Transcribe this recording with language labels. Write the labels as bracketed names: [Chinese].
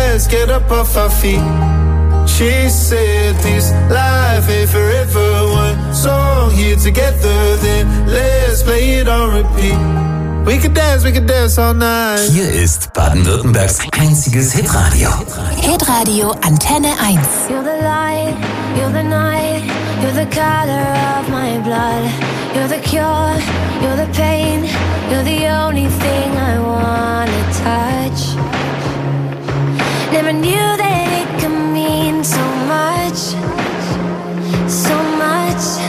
[English] Get up off our feet. She said, this life ain't forever. One song here together, then let's play it on repeat. We could dance all night. [German] Hier ist Baden-Württembergs einziges Hitradio. Hitradio Antenne 1. [English] You're the light, you're the night, you're the color of my blood. You're the cure, you're the pain, you're the only thing I wanna touch. Never knew that it could mean so much, so much.